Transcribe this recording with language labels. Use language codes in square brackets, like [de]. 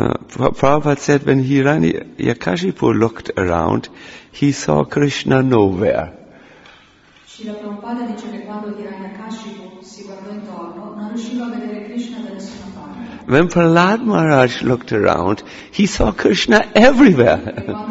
[en] Prabhupada said when Hiranyakashipu looked around, he saw Krishna nowhere. [it] Srila Prabhupada dice che quando Hiranyakashipu si guardò intorno, non riusciva a vedere Krishna da nessuna parte. [en] When Prahlad Maharaj looked around, he saw Krishna everywhere.